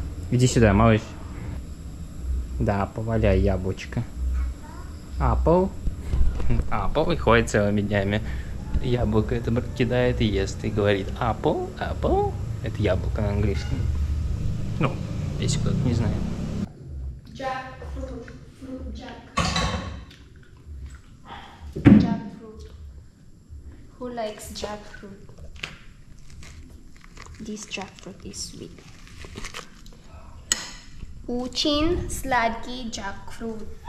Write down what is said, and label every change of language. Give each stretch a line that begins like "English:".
Russian: Иди сюда, малыш. Да, поваляй яблочко. Apple. Apple ходит целыми днями. Яблоко это кидает и ест. И говорит Apple, Apple. Это яблоко на английском. Ну, если кто-то не знает.
English: Jackfruit. Who likes jackfruit? This jackfruit is sweet.
Russian: Очень сладкий jackfruit.